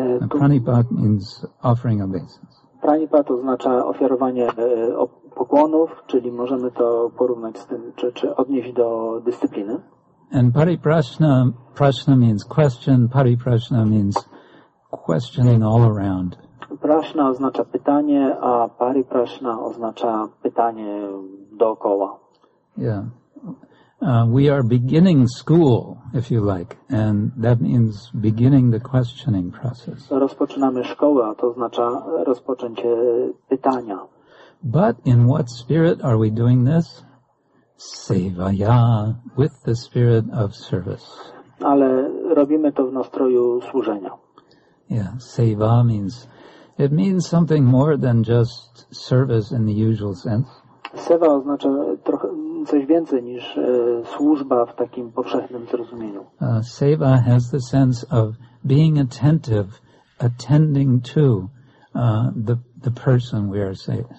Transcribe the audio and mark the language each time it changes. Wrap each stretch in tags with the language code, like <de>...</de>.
<en>Pranipata means offering obeisance.</en> <pl>Pranipata oznacza ofiarowanie pokłonów, czyli możemy to porównać z tym, czy odnieść do dyscypliny.</pl> <en>And pariprasna, prasna means question, pariprasna means questioning all around.</en> <pl>Prasna oznacza pytanie, a pariprasna oznacza pytanie dookoła.</pl> <en>Yeah. We are beginning school, if you like, and that means beginning the questioning process.</en> <pl>Rozpoczynamy szkołę, a to oznacza rozpoczęcie pytania.</pl> <en>But in what spirit are we doing this? Sevaya, with the spirit of service.</en> <pl>Ale robimy to w nastroju służenia.</pl> <en>Yeah, seva means, it means something more than just service in the usual sense.</en> <pl>Seva oznacza trochę coś więcej niż służba w takim powszechnym zrozumieniu.</pl> <en>Seva has the sense of being attentive, attending to the person we are serving.</en>